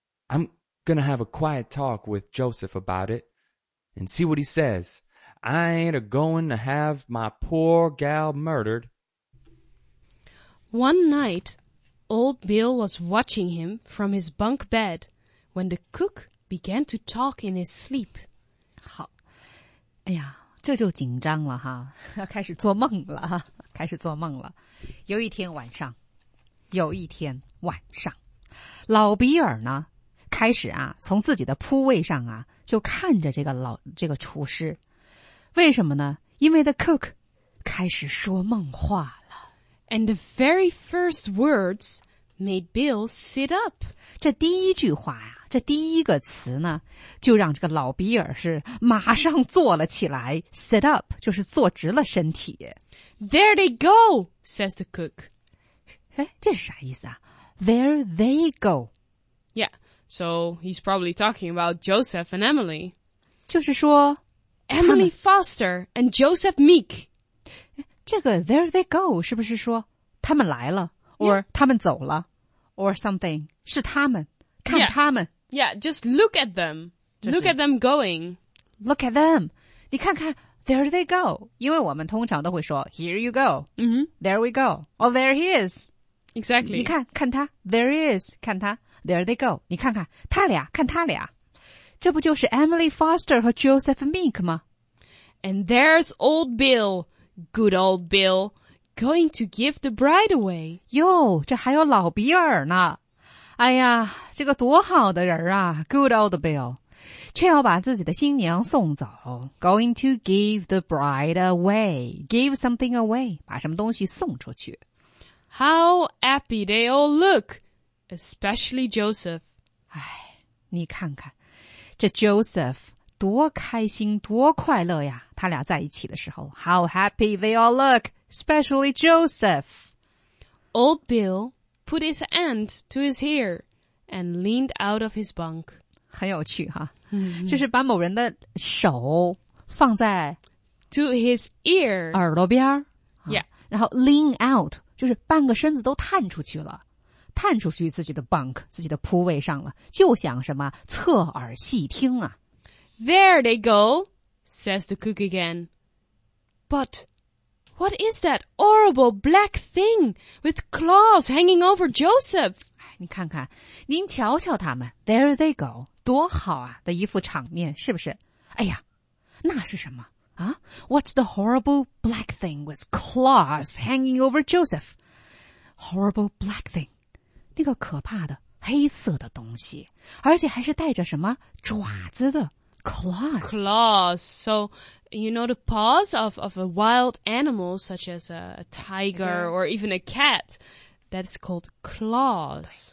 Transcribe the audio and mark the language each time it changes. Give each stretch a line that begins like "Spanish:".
English: I'm gonna have a quiet talk with Joseph about it. And see what he says. I ain't a-going to have my poor gal murdered. One night, old Bill was watching him from his bunk bed when the cook began to talk in his sleep.
Chinese: 好，哎呀，这就紧张了哈，开始做梦了，开始做梦了。有一天晚上，老比尔呢，开始啊，从自己的铺位上啊，就看着这个厨师，为什么呢？因为
English: the cook
Chinese: 开始说梦话了。
English: And the very first words made Bill sit up.
Chinese: 这第一句话呀，这第一个词呢，就让这个老比尔是马上坐了起来。
English: Sit up
Chinese: 就是坐直了身体。
English: There they go, says the cook.
Chinese: 哎，这是啥意思啊 ？
English: There they go. Yeah. So he's probably talking about Joseph and Emily.
Chinese: 就是说
English: Emily Foster and Joseph Meek.
Chinese: 这个
English: there they go
Chinese: 是不是说他们来了
English: or、 yeah.
Chinese: 他们走了
English: or something
Chinese: 是他们看、
English: yeah.
Chinese: 他们
English: Yeah, just look at them. Look at them going. Look at them.
Chinese: 你看看
English: there they go.
Chinese: 因为我们通常都会说
English: here you go.、 Mm-hmm. There we go. Oh, there he is. Exactly.
Chinese: 你看看他
English: there he is.
Chinese: 看他。
English: There they go.
Chinese: 你看看他俩，看他俩，这不就是 Emily Foster 和 Joseph Meek 吗
English: ？And there's old Bill, good old Bill, going to give the bride away.
Chinese: 哟，这还有老比尔呢。哎呀，这个多好的人啊 ，
English: good old Bill，
Chinese: 却要把自己的新娘送走。
English: Going to give the bride away. Give something away.
Chinese: 把什么东西送出去。
English: How happy they all look. Especially Joseph.
Chinese: 哎，你看看，这 Joseph 多开心，多快乐呀！他俩在一起的时候
English: ，How happy they all look, especially Joseph. Old Bill put his hand to his ear and leaned out of his bunk.
Chinese: 很有趣哈，就是把某人的手放在
English: to his ear
Chinese: 耳朵边儿
English: ，Yeah，
Chinese: 然后
English: lean out
Chinese: 就是半个身子都探出去了。探出去自己的 bunk, 自己的铺位上了，就想什么侧耳细听啊。
English: There they go, says the cook again. But What is that horrible black thing with claws hanging over Joseph?
Chinese: 你看看，您瞧瞧他们 ，
English: There they go，
Chinese: 多好啊的一副场面，是不是？哎呀，那是什么啊
English: ？What's the horrible black thing with claws hanging over Joseph？ Horrible black thing，
Chinese: 那个可怕的黑色的东西，而且还是带着什么爪子的。
English: Claws. Claws. So, you know, the paws of a wild animal, such as a tiger or even a cat, that's called claws.